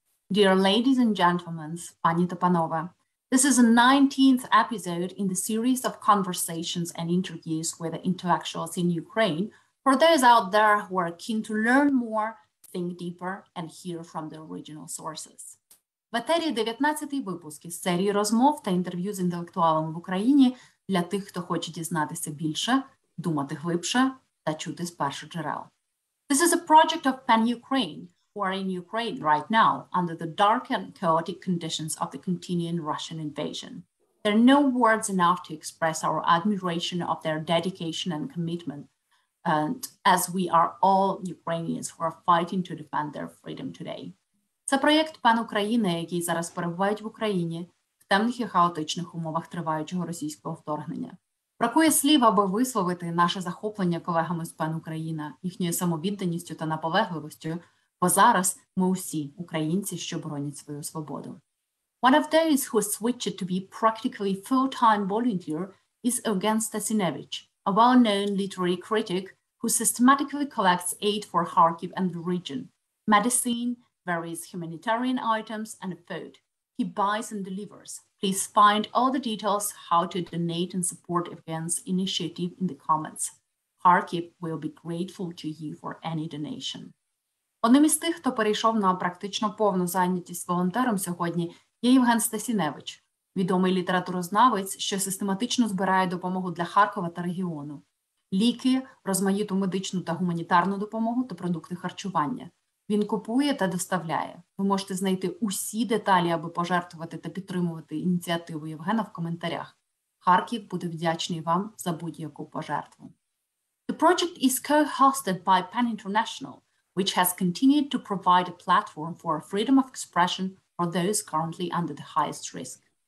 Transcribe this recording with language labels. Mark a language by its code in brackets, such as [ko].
[en] Dear ladies and gentlemen, [uk] пані та панове, [en] this is the 19th episode in the series of conversations and interviews with intellectuals in Ukraine for those out there who are keen to learn more, think deeper, and hear from the original sources. [uk] В етері 19-й випуск із серії розмов та інтерв'ю з інтелектуалами в Україні для тих, хто хоче дізнатися більше, думати глибше та чути з перших джерел. [en] This is a project of Pan-Ukraine, who are in Ukraine right now under the dark and chaotic conditions of the continuing Russian invasion. There are no words enough to express our admiration of their dedication and commitment, and as we are all Ukrainians who are fighting to defend their freedom today. [uk] Це проєкт «Пан України», який зараз перебувають в Україні в темних і хаотичних умовах триваючого російського вторгнення. Бракує слів, аби висловити наше захоплення колегами з «Пан Україна», їхньою самовідданістю та наполегливістю, бо зараз ми усі – українці, що боронять свою свободу. [en] One of those who switched to be practically full-time volunteer is Eugen Stasinevich, a well-known literary critic who systematically collects aid for Kharkiv and the region, medicine, various humanitarian items, and food. He buys and delivers. Please find all the details how to donate and support Eugen's initiative in the comments. Kharkiv will be grateful to you for any donation. [uk] Одним із тих, хто перейшов на практично повну зайнятість волонтером сьогодні, є Євген Стасіневич, відомий літературознавець, що систематично збирає допомогу для Харкова та регіону. Ліки, розмаїту медичну та гуманітарну допомогу та продукти харчування. Він купує та доставляє. Ви можете знайти усі деталі, аби пожертвувати та підтримувати ініціативу Євгена в коментарях. Харків буде вдячний вам за будь-яку пожертву. [en] The project is co-hosted by Pan International, which has continued to provide a platform for freedom of expression for those currently under the highest risk.